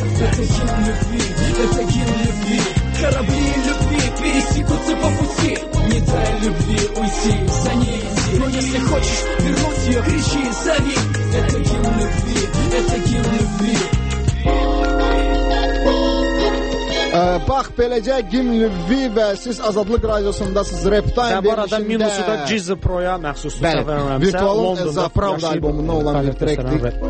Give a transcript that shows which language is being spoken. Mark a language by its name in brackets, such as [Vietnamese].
[Russian] Это гимн любви, это гимн любви. Корабли любви пересекутся по пути. Не дай любви уйти, за ней иди. Но если хочешь вернуть ее, кричи и зови. Это гимн любви, это гимн любви. [Azerbaijani] Bax, beləcə gimn любви və siz Azadlıq Radiosundasınız, Rap Time verilişində. Və bu arada minusu da Gizzy Pro-ya məxsus səhv eləmirəmsə. Bəli, Virtualın Zapravda albomundan olan bir trekdir.